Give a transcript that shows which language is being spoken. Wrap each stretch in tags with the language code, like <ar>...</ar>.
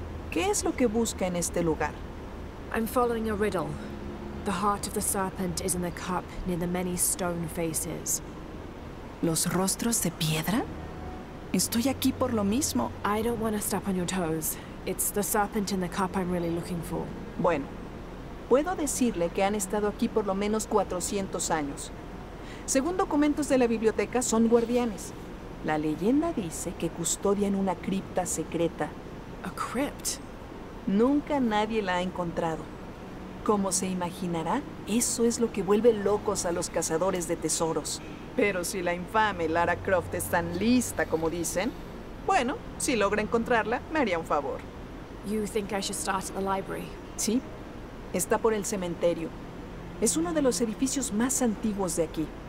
<es>¿Qué es lo que busca en este lugar?</es> <en>I'm following a riddle. The heart of the serpent is in the cup near the many stone faces.</en> <es>¿Los rostros de piedra? Estoy aquí por lo mismo.</es> <en>I don't want to step on your toes. It's the serpent in the cup I'm really looking for.</en> <es>Bueno. puedo decirle que han estado aquí por lo menos 400 años. Según documentos de la biblioteca, son guardianes. La leyenda dice que custodian una cripta secreta.</es> <en>¿A crypt?</en> <es>Nunca nadie la ha encontrado. Como se imaginará, eso es lo que vuelve locos a los cazadores de tesoros. Pero si la infame Lara Croft es tan lista como dicen, bueno, si logra encontrarla, me haría un favor.</es> <en>You think I should start at the library?</en> <es>Sí, está por el cementerio. Es uno de los edificios más antiguos de aquí.</es>